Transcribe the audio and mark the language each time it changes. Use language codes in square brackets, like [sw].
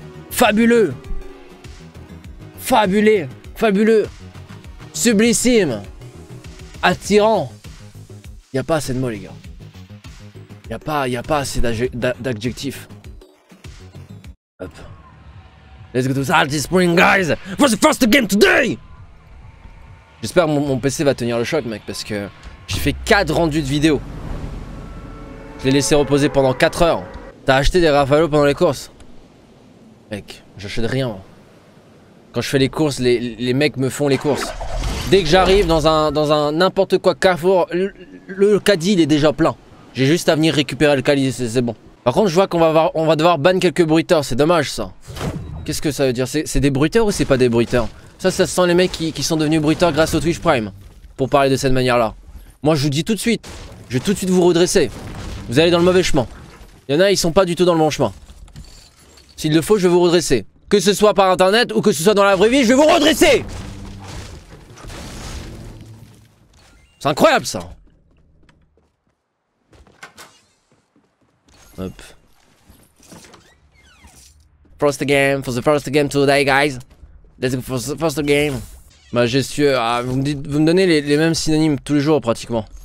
[fr] Fabuleux. Fabulé. Fabuleux. Sublissime. Attirant. Y'a pas assez de mots, les gars. Y'a pas assez d'adjectifs. Hop. [en] Let's go to Salty Spring, guys. For the first game today. [fr] J'espère que mon PC va tenir le choc, mec, parce que j'ai fait 4 rendus de vidéo. Je l'ai laissé reposer pendant 4 heures. T'as acheté des Rafalos pendant les courses? Mec, j'achète rien. Quand je fais les courses, les mecs me font les courses. Dès que j'arrive dans un n'importe quoi Carrefour, le caddie, il est déjà plein. J'ai juste à venir récupérer le caddie, c'est bon. Par contre, je vois qu'on va devoir ban quelques bruiteurs, c'est dommage, ça. Qu'est-ce que ça veut dire? C'est des bruiteurs ou c'est pas des bruiteurs? Ça sent les mecs qui sont devenus bruiteurs grâce au Twitch Prime. Pour parler de cette manière là. Moi je vous dis tout de suite. Je vais tout de suite vous redresser. Vous allez dans le mauvais chemin. Il y en a, ils sont pas du tout dans le bon chemin. S'il le faut, je vais vous redresser. Que ce soit par internet ou que ce soit dans la vraie vie, je vais vous redresser. C'est incroyable ça. Hop. [en] First game, for the first game today guys. Let's go for the game. [fr] Majestueux, ah, vous me donnez les mêmes synonymes tous les jours pratiquement.